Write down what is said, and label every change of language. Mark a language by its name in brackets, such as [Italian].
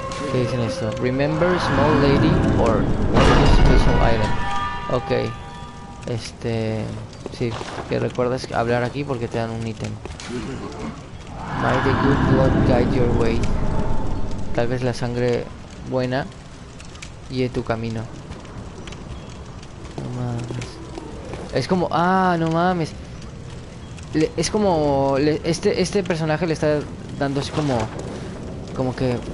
[Spanish] ¿Qué dicen esto? [English] Remember small lady or special item. Ok. [Spanish] Este... sí. Que recuerdes hablar aquí porque te dan un ítem. [English] May the good blood guide your way. [Spanish] Tal vez la sangre buena guíe tu camino. No mames. Es como... ah, no mames. Este personaje le está dando así como... como que...